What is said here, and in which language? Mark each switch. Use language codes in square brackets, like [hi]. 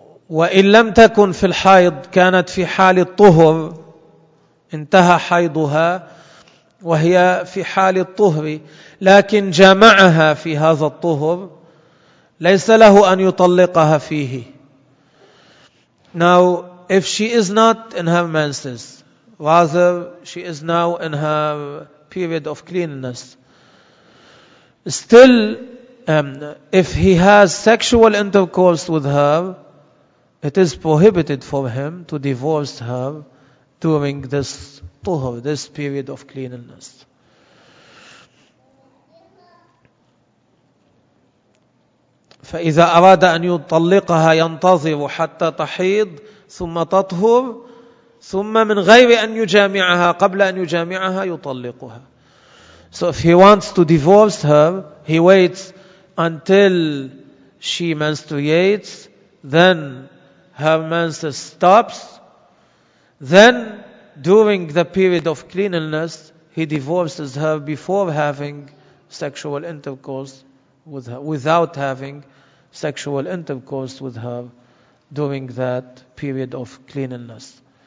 [ar] وإن لم تكن في الحيض كانت في حال الطهر, انتهى حيضها وهي في حال الطهر, لكن جمعها في هذا الطهر, ليس له أن يطلقها فيه. [en] Now, if she is not in her menses, rather she is now in her period of cleanliness, still, if he has sexual intercourse with her, it is prohibited for him to divorce her during this tuhur, this period of cleanliness. [ar] فإذا أراد أن يطلقها ينتظر حتى تحيض ثم تطهر ثم من غير أن يجامعها قبل أن يجامعها يطلقها. [en] So if he wants to divorce her, he waits until she menstruates, then her menses stops, then during the period of cleanliness he divorces her before having sexual intercourse with her, without having sexual intercourse with her during that period of cleanliness.